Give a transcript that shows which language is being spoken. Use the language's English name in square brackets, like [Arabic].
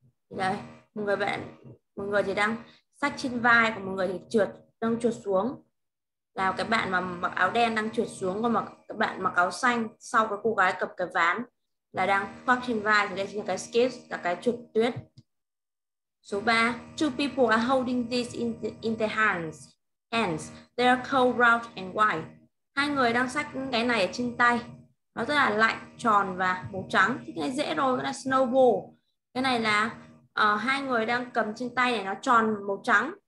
[Vietnamese] Đây, một người thì đang xách trên vai, còn một người thì đang trượt xuống. Là cái bạn mà mặc áo đen đang trượt xuống, còn cái bạn mặc áo xanh sau cái cô gái cập cái ván là đang khoác trên vai. Thì đây chính là cái skis, là cái trượt tuyết. Số 3, [English] two people are holding this in their hands. They are cold, round and white. [Vietnamese] Hai người đang xách cái này ở trên tay. Nó rất là lạnh, tròn và màu trắng. Thì cái này dễ rồi, cái này snowball. Cái này là hai người đang cầm trên tay này, nó tròn màu trắng.